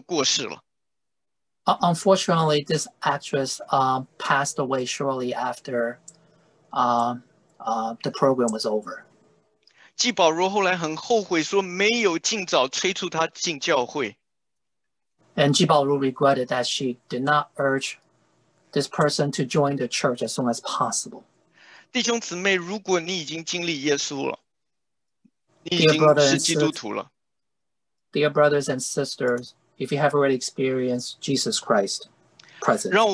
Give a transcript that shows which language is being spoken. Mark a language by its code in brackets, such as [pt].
[zh] 很不幸的，这个女主角，演完戏之后不久就过世了。 [en] Unfortunately, this actress passed away shortly after the program was over. [zh] 季宝如后来很后悔，说没有尽早催促她进教会。 [en] And Ji Bao Ru regretted that she did not urge this person to join the church as soon as possible. [zh] 弟兄姊妹，如果你已经经历耶稣了，你已经是基督徒了。 [en] Dear brothers and sisters, if you have already experienced Jesus Christ present,